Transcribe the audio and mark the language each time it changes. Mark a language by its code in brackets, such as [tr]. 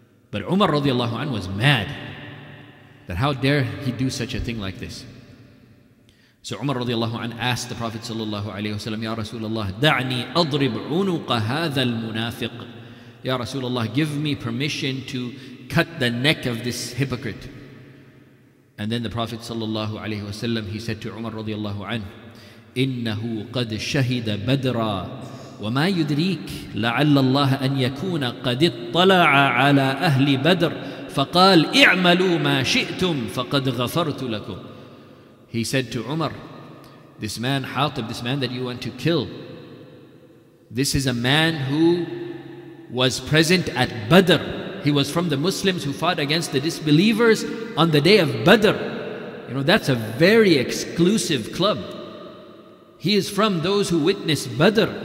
[en] But Umar radiallahu anhu was mad that how dare he do such a thing like this. So Umar radiallahu anhu asked the Prophet sallallahu alaihi wasallam, [ar] يَا رَسُولَ اللَّهِ دَعْنِي أَضْرِبْ عُنُقَ هَذَا الْمُنَافِقِ. [en] Ya Rasulullah, give me permission to cut the neck of this hypocrite. And then the Prophet sallallahu alaihi wasallam, he said to Umar radiallahu anhu, [ar] إِنَّهُ قَدْ شَهِدَ بَدْرًا وَمَا يُدْرِيكَ لَعَلَّ اللَّهَ أَنْ يَكُونَ قَدْ اطَّلَعَ عَلَىٰ أَهْلِ بَدْرٍ فَقَالَ اِعْمَلُوا مَا شِئْتُمْ فَقَدْ غَفَرْتُ لَكُمْ. [en] He said to Umar, this man Hatib, this man that you want to kill, this is a man who was present at Badr. He was from the Muslims who fought against the disbelievers on the day of Badr. You know, that's a very exclusive club. He is from those who witnessed Badr.